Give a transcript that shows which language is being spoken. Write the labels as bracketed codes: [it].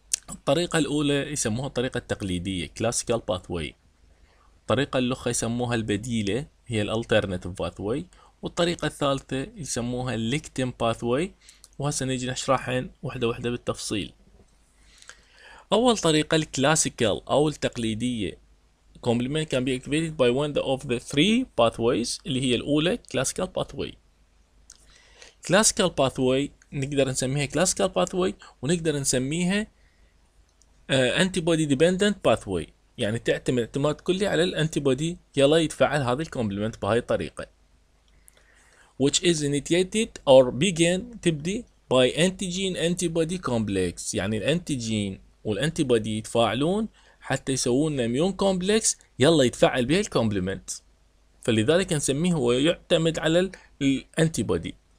[ar] الطريقة الأولى يسموها الطريقة التقليدية classical pathway، الطريقة الأخرى يسموها البديلة هي alternative pathway، والطريقة الثالثة يسموها lectin pathway، وهسا نيجي نشرحهن وحدة وحدة بالتفصيل. أول طريقة الكلاسيكال أو التقليدية [en] complement can be activated by one of the three pathways [ar] اللي هي الأولى [en] classical pathway. [ar] classical pathway نقدر نسميها classical pathway ونقدر نسميها [en] antibody dependent pathway، [ar] يعني تعتمد اعتماد كلي على الانتيبودي يلا يتفعل هذا الكومبلمنت بهاي الطريقة، [en] which is initiated or begin [ar] تبدي by antigen antibody complex، يعني الانتيجين والانتيبودي يتفاعلون حتى يسوون اميون كومبلكس يلا يتفاعل بها الكومبلمنت، فلذلك نسميه هو يعتمد على الانتيبودي.